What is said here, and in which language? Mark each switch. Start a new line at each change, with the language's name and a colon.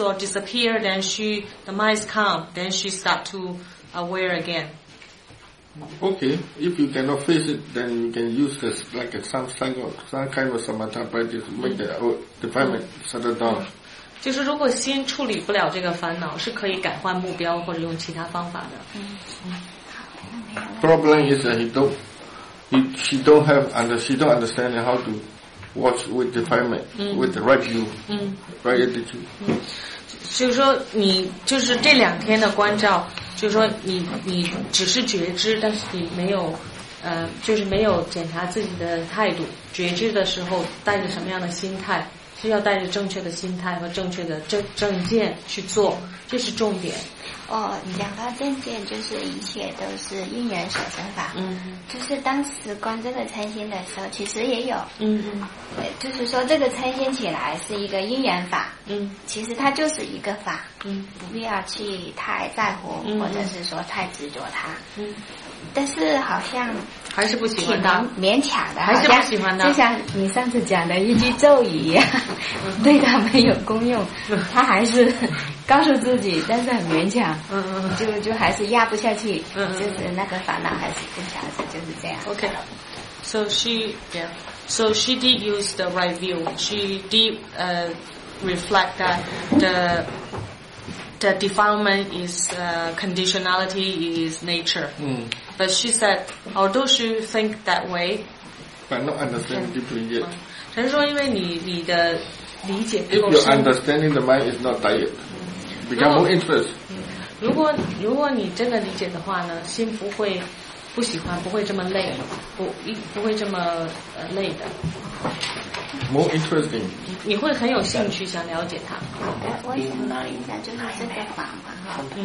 English: or disappeared, then the mind is calm, then she start to aware again. Okay, if you cannot face it, then you can use this, like some kind of samatha practice, make the defilement settle down.
Chinese: 就是如果心处理不了这个烦恼，是可以改换目标或者用其他方法的。
English: Problem is that she don't understand how to watch with defilement, with the right view, right attitude.
Chinese: 就是说你就是这两天的关照。就是说你只是觉知，但是你没有就是没有检查自己的态度，觉知的时候带着什么样的心态，是要带着正确的心态和正确的正见去做，这是重点。哦，讲到正见，就是一切都是因缘所生法。就是当时观这个嗔心的时候，其实也有。就是说这个嗔心起来是一个因缘法。其实它就是一个法。不必要去太在乎，或者是说太执着它。但是好像还是不喜欢的，挺勉强的，还是不喜欢的。就像你上次讲的一句咒语一样，对他没有功用，他还是告诉自己，但是很勉强，就还是压不下去，就是那个烦恼还是不消失，就是这样。
English: OK, so she, yeah, so she did use the right view. She did reflect that the defilement is conditionality is nature. Mm. But she said, although she think that way, but not understand deeply yet.
Chinese: 陈说因为你的理解不够深。
English: If your understanding the mind is not tired, become more interest.
Chinese: 如果你真的理解的话呢，心不会不喜欢，不会这么累，不会这么累的。
English: More interesting.
Chinese: 你会很有兴趣想了解它。我想问一下，就是这个法门哈。